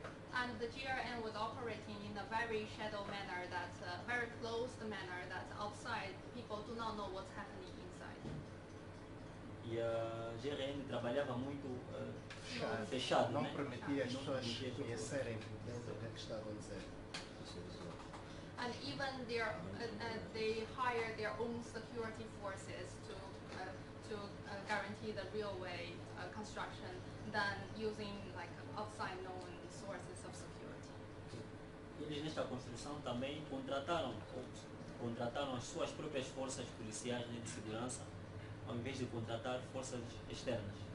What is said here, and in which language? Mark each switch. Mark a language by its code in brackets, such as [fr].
[en] And the GRN was operating in a very shadow manner, that's a very closed manner, that outside people do not know what's happening inside. [pt] E a GRN trabalhava muito fechado, não permitia as pessoas conhecerem dentro do que estava a dizer. [en] And even they hired their own security forces to guarantee the railway construction than using like outside known sources of security. [pt] Eles nesta construção também contrataram as suas próprias forças policiais de segurança, ao invés de contratar forças externas.